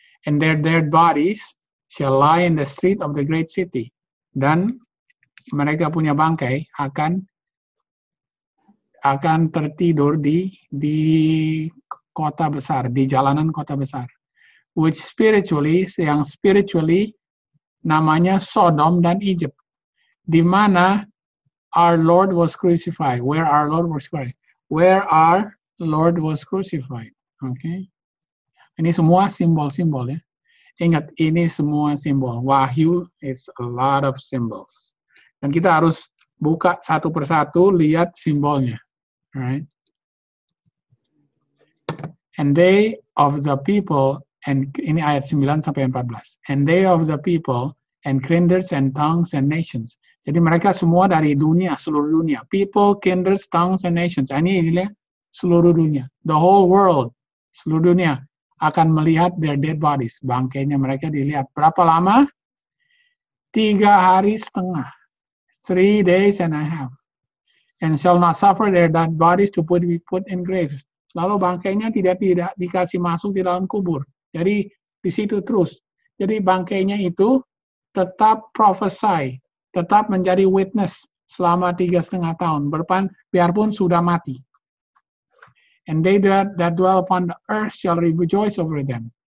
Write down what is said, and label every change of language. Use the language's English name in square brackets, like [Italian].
[English] And their dead bodies shall lie in the street of the great city. [Indonesian] Dan mereka punya bangkai akan tertidur di kota besar, di jalanan kota besar. [English] Which spiritually, [Indonesian] yang spiritually namanya Sodom dan Egypt. Di mana [English] our Lord was crucified. Where our Lord was crucified. Where our Lord was crucified. Okay. [Indonesian] Ini semua simbol-simbol ya. Ingat, ini semua simbol. [English] Wahyu is a lot of symbols. [Indonesian] Dan kita harus buka satu persatu, lihat simbolnya. [English] Alright. And they of the people, and [Indonesian] ini ayat 9-14. [English] And they of the people, and kindreds, and tongues, and nations. [Indonesian] Jadi mereka semua dari dunia, seluruh dunia. [English] People, kindreds, tongues, and nations. [Indonesian] Ini adalah seluruh dunia. [English] The whole world, [Indonesian] seluruh dunia. Akan melihat [English] their dead bodies. [Indonesian] Bangkainya mereka dilihat. Berapa lama? 3 hari setengah. [English] 3 days and a half. And shall not suffer their dead bodies to be put in graves. [Indonesian] Lalu bangkainya tidak dikasih masuk di dalam kubur. Jadi di situ terus. Jadi bangkainya itu tetap prophesy. Tetap menjadi witness selama 3.5 tahun. Biarpun sudah mati. [English] And they that dwell upon the earth shall rejoice over them.